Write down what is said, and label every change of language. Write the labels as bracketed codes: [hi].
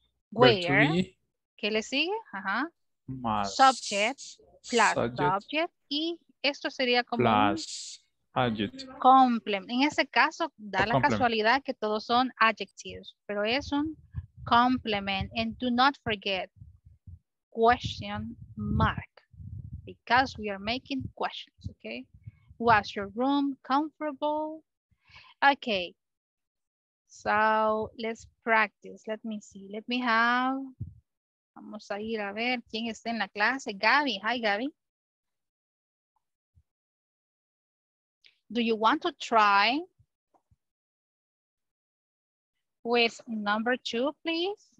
[en] where, [es] ¿qué le sigue? Ajá. Más [en] subject plus subject [es] y esto sería como [en] plus adjective. [es] Complement. En ese caso da la casualidad que todos son adjectives, pero es un [en] complement, and do not forget question mark, because we are making questions, okay? Was your room comfortable? Okay, so let's practice. Let me see, let me have, [es] vamos a ir a ver quién está en la clase. [en] Gabby, hi Gabby. Do you want to try with number two, please?